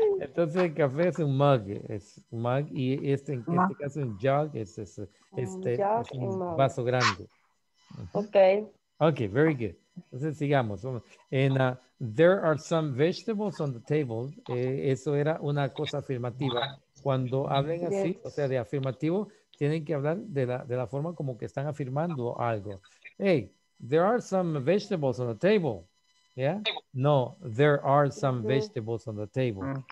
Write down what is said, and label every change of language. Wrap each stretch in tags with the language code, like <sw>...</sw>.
<es>Entonces el café es un mug, y este en este caso un jug es un vaso grande. Okay,</es> <en>very good.</en> <es>Entonces sigamos.</es> <en>And there are some vegetables on the table.</en> <es>Eso era una cosa afirmativa. Cuando hablen así, o sea, de afirmativo, tienen que hablar de la forma como que están afirmando algo.</es> <en>Hey, there are some vegetables on the table. Yeah? No, there are some vegetables on the table.</en>